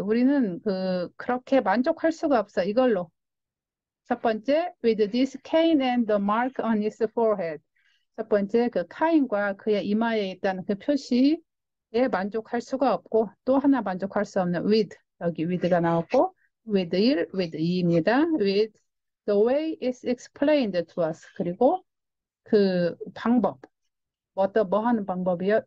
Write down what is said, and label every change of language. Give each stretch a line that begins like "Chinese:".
Korean: 우리는 그렇게 만족할 수가 없어. 이걸로. 첫 번째,
English: with this cane and the mark on his forehead.
Korean: 첫 번째, 그 카인과 그의 이마에 있다는 그 표시. 예, 만족할 수가 없고 또 하나 만족할 수 없는 with 여기 with가 나왔고 with 1, with 2입니다.
English: with the way it's explained to us
Korean: 그리고 그 방법 뭐 하는 방법이요?